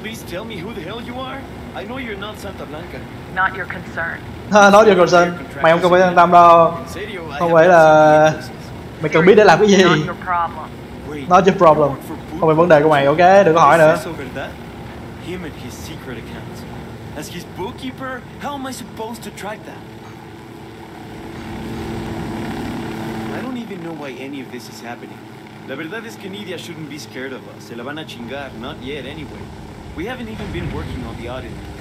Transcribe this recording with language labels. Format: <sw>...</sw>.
<en>Tell me who the hell you are? I know you're not Santa Blanca. Not your concern. Not your concern.</en> <vi>Mày không cần phải quan tâm đâu. Không phải là mày cần biết để làm cái gì.</vi> <en>Not your problem.</en> <vi>Không phải vấn đề của mày, ok? Đừng có hỏi nữa.</vi> <en>Him and his secret accounts. As his bookkeeper, how am I supposed to track that? I don't even know why any of this is happening.</en> <es>La verdad es que</es> <en>Nidia shouldn't be scared of us.</en> <es>Se la van a chingar,</es> <en>not yet anyway. We haven't even been working on the audit.</en>